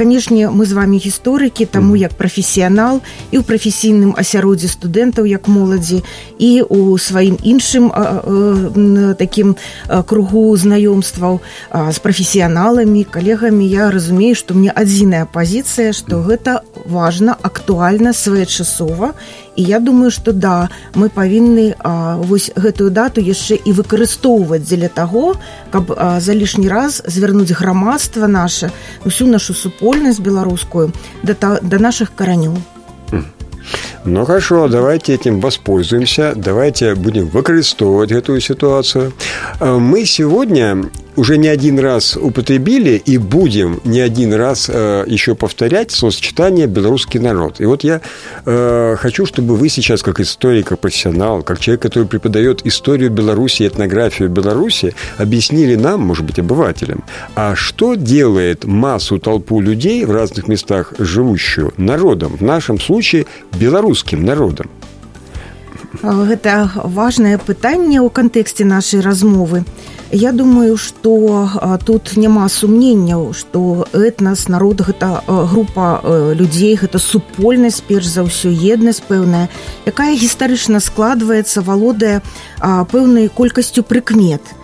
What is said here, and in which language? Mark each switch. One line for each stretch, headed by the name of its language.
Belarusian: канешне, мы з вами гісторыкі, таму як прафесіянал і ў прафесійным асяроддзі студэнтаў, як моладзі, і ў сваім іншым такім кругу знаёмстваў з прафесіяналамі, калегамі, я разумею, што мне адзіная пазіцыя, што гэта важна, актуальна, своечасова. І я думаю, што да, мы павінны вось гэтую дату яшчэ і выкарыстоўваць для таго, каб за лішні раз звернуць грамадства наше, усю нашу супольнасць беларускую да нашых каранёў.
Russian: Ну, хорошо, давайте этим воспользуемся, давайте будем выкарыстоўваць эту ситуацию. Мы сегодня уже не один раз употребили и будем не один раз еще повторять словосочетание «белорусский народ». И вот я хочу, чтобы вы сейчас, как историк, как профессионал, как человек, который преподает историю Беларуси, этнографию Беларуси, объяснили нам, может быть, обывателям, а что делает массу, толпу людей в разных местах живущую народом, в нашем случае белорусским народом?
Belarusian: Гэта важнае пытанне ў кантэксце нашай размовы. Я думаю, што тут няма сумненняў, што этнас, народ, гэта група людзей, гэта супольнасць, перш за ўсё, еднасць пэўная, якая гістарычна складваецца, валодае пэўнай колькасцю прыкмет.